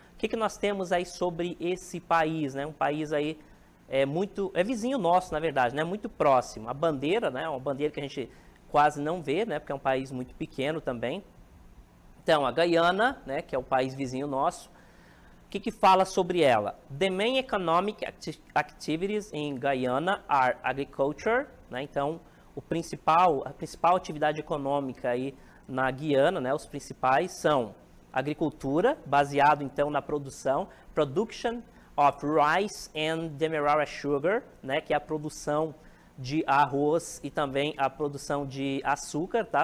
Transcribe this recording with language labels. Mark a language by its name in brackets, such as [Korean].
[Portuguese] O que que nós temos aí sobre esse país, né? Um país aí é vizinho nosso, na verdade, né? Muito próximo. A bandeira, né? Uma bandeira que a gente quase não vê, né? Porque é um país muito pequeno também. Então, a Guyana, né, que é o país vizinho nosso, o que fala sobre ela? [English] The main economic activities in Guyana are agriculture, né? [Portuguese] Então, a principal atividade econômica aí na Guiana, né? Os principais são agricultura, baseado então na [English] production of rice and demerara sugar, [Portuguese] né? Que é a produção de arroz e também a produção de açúcar, tá?